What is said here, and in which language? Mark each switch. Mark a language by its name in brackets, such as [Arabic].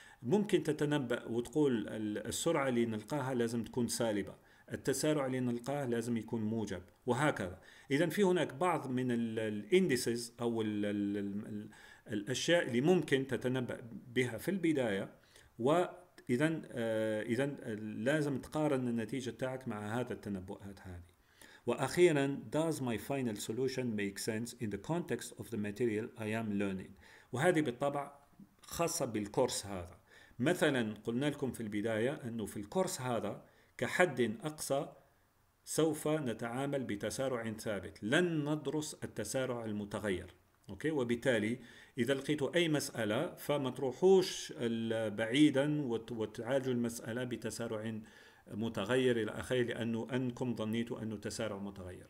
[Arabic] ممكن تتنبأ وتقول السرعة اللي نلقاها لازم تكون سالبة، التسارع اللي نلقاه لازم يكون موجب، وهكذا. إذن في هناك بعض من الإنديسز أو الأشياء اللي ممكن تتنبأ بها في البداية، و إذا لازم تقارن النتيجة تاعك مع هذا التنبؤات هذه. [English] وأخيرا Does my final solution make sense in the context of the material I am learning؟ [Arabic] وهذه بالطبع خاصة بالكورس هذا. مثلا قلنا لكم في البداية أنه في الكورس هذا كحد أقصى سوف نتعامل بتسارع ثابت، لن ندرس التسارع المتغير. أوكي، وبالتالي إذا لقيت أي مسألة فما تروحوش بعيدا وتعالج المسألة بتسارع متغير إلى آخره، لأنه أنكم ظنيتوا أنه تسارع متغير.